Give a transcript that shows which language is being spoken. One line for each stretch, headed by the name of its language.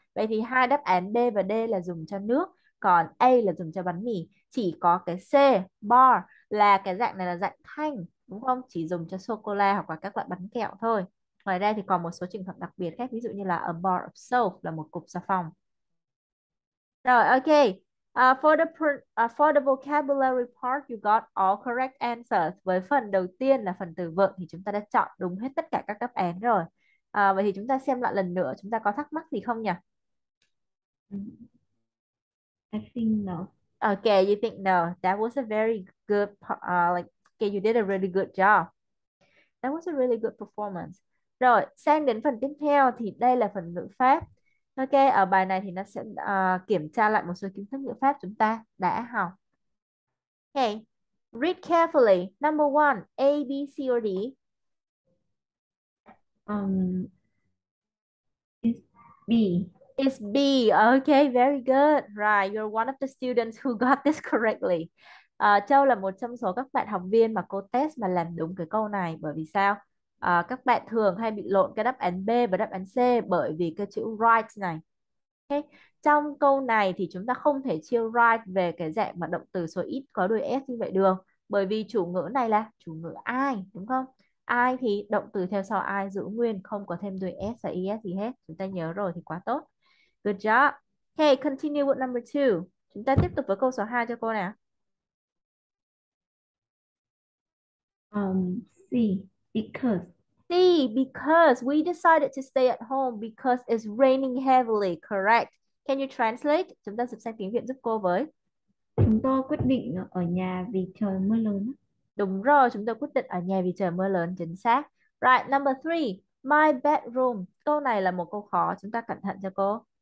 Vietnamese: Vậy thì hai đáp án B và D là dùng cho nước, còn A là dùng cho bánh mì. Chỉ có cái C, bar, là cái dạng này là dạng thanh, đúng không? Chỉ dùng cho sô cô la hoặc là các loại bánh kẹo thôi. Ngoài ra thì còn một số trường hợp đặc biệt khác, ví dụ như là
English: a bar of soap,
Vietnamese: là một cục xà phòng. Rồi, ok.
English: For the vocabulary part, you got all correct answers.
Vietnamese: Với phần đầu tiên là phần từ vựng thì chúng ta đã chọn đúng hết tất cả các đáp án rồi. Vậy thì chúng ta xem lại lần nữa, chúng ta có thắc mắc gì không nhỉ?
English: I think no. Okay, you think no. That was a very good, okay, you did a really good job. That was a really good performance.
Vietnamese: Rồi, sang đến phần tiếp theo thì đây là phần ngữ pháp. Ok, ở bài này thì nó sẽ kiểm tra lại một số kiến thức ngữ pháp chúng ta đã học.
English: Ok, read carefully. Number one, A, B, C, or D? B. It's B. Ok, very good. Right, you're one of the students who got this correctly.
Vietnamese: Châu là một trong số các bạn học viên mà cô test mà làm đúng cái câu này. Bởi vì sao? Các bạn thường hay bị lộn cái đáp án B và đáp án C bởi vì cái chữ right này. Okay. Trong câu này thì chúng ta không thể chia right về cái dạng mà động từ số ít có đuôi s như vậy được, bởi vì chủ ngữ này là chủ ngữ ai, đúng không? Ai thì động từ theo sau ai giữ nguyên, không có thêm đuôi s và es gì hết. Chúng ta nhớ rồi thì quá tốt.
English: Good job. Hey, okay, continue with number two.
Vietnamese: Chúng ta tiếp tục với câu số 2 cho cô nào.
English: See, because. See, because we decided to stay at home because it's raining heavily, correct? Can you translate?
Vietnamese: Chúng ta sắp sang tiếng Việt giúp cô với. Chúng tôi quyết định ở nhà vì trời mưa lớn. Đúng rồi, chúng tôi quyết định ở nhà vì trời mưa lớn, chính xác.
English: Right, number three, my bedroom.
Vietnamese: Câu này là một câu khó, chúng ta cẩn thận cho cô.